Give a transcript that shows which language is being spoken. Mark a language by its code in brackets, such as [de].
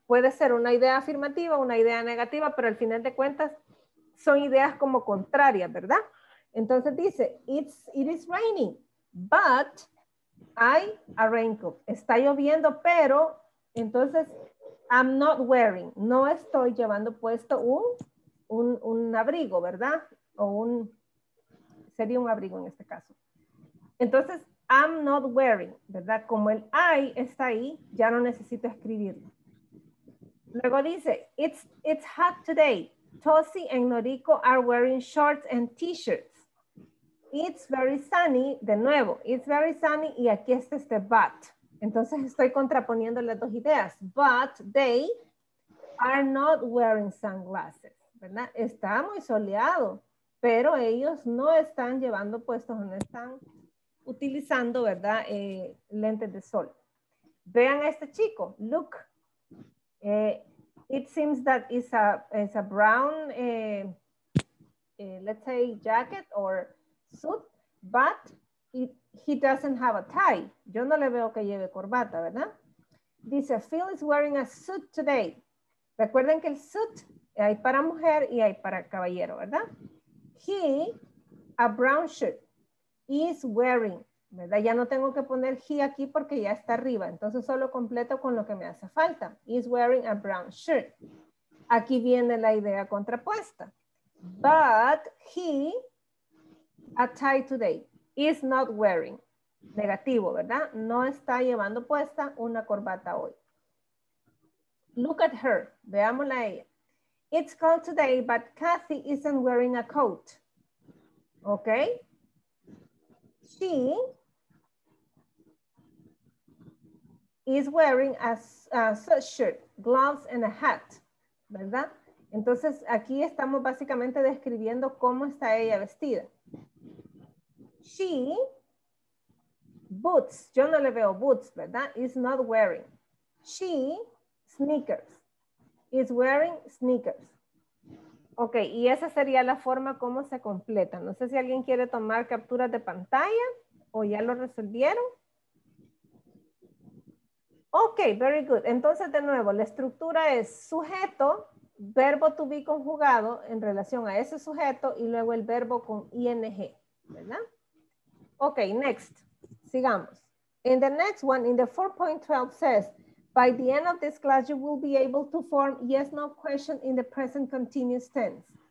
[es] Puede ser una idea afirmativa, una idea negativa, pero al final de cuentas son ideas como contrarias, ¿verdad? Entonces dice, [en] it is raining, but I a raincoat. [es] Está lloviendo, pero entonces... [en] I'm not wearing, [es] no estoy llevando puesto un abrigo, ¿verdad? O un, sería un abrigo en este caso. Entonces, [en] I'm not wearing, [es] ¿verdad? Como el I está ahí, ya no necesito escribirlo. Luego dice, [en] it's hot today. Tosi and Noriko are wearing shorts and t-shirts. It's very sunny, [es] de nuevo, [en] it's very sunny, y aquí está este but. [es] Entonces estoy contraponiendo las dos ideas. [en] But they are not wearing sunglasses, ¿verdad? [es] Está muy soleado, pero ellos no están llevando puestos, no están utilizando, ¿verdad? Lentes de sol. Vean a este chico, look. [en] It seems that it's a brown, let's say, jacket or suit, but he doesn't have a tie. [es] Yo no le veo que lleve corbata, ¿verdad? Dice, [en] Phil is wearing a suit today. [es] Recuerden que el suit hay para mujer y hay para caballero, ¿verdad? [en] He, a brown shirt, is wearing, ¿verdad? [es] Ya no tengo que poner he aquí porque ya está arriba. Entonces solo completo con lo que me hace falta. [en] Is wearing a brown shirt. [es] Aquí viene la idea contrapuesta. [en] But he, a tie today, is not wearing. [es] Negativo, ¿verdad? No está llevando puesta una corbata hoy. [en] Look at her. [es] Veámosla a ella. [en] It's cold today, but Kathy isn't wearing a coat. Okay? She is wearing a sweatshirt, gloves, and a hat. [es] ¿Verdad? Entonces, aquí estamos básicamente describiendo cómo está ella vestida. [en] She, boots, [es] yo no le veo [en] boots, ¿verdad? Is not wearing. She, sneakers, is wearing sneakers. [es] Ok, y esa sería la forma como se completa. No sé si alguien quiere tomar capturas de pantalla o ya lo resolvieron. [en] Ok, very good. [es] Entonces, de nuevo, la estructura es sujeto, verbo to be conjugado en relación a ese sujeto y luego el verbo con ing, ¿verdad? [en] Ok, next. Sigamos. In the next one, in the 4.12 says, by the end of this class, you will be able to form yes-no question in the present continuous tense.